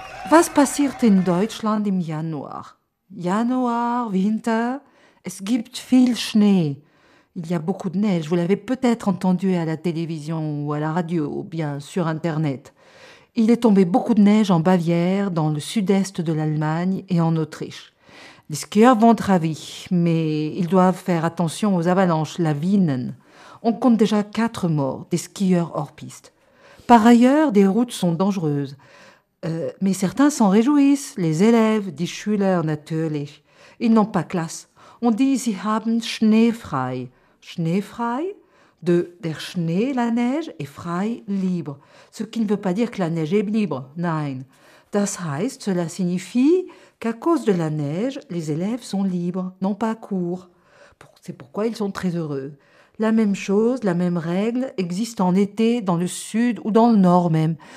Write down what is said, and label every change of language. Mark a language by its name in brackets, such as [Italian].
[German] Was passiert in Deutschland im Januar? Januar, Winter, es gibt viel Schnee. [French] Il y a beaucoup de neige, vous l'avez peut-être entendu à la télévision ou à la radio, ou bien sur Internet. Il est tombé beaucoup de neige en Bavière, dans le sud-est de l'Allemagne et en Autriche. Les skieurs vont travailler, mais ils doivent faire attention aux avalanches, lawinen. On compte déjà 4 morts, des skieurs hors piste. Par ailleurs, des routes sont dangereuses. Mais certains s'en réjouissent, les élèves, [German] die Schüler natürlich. [French] Ils n'ont pas classe. On dit, [German] sie haben schneefrei. [French] Schneefrei, de [German] der Schnee, [French] la neige, et frei, libre. Ce qui ne veut pas dire que la neige est libre, [German] nein. Das heißt, [French] cela signifie qu'à cause de la neige, les élèves sont libres, non pas cours. C'est pourquoi ils sont très heureux. La même chose, la même règle existe en été dans le sud ou dans le nord même.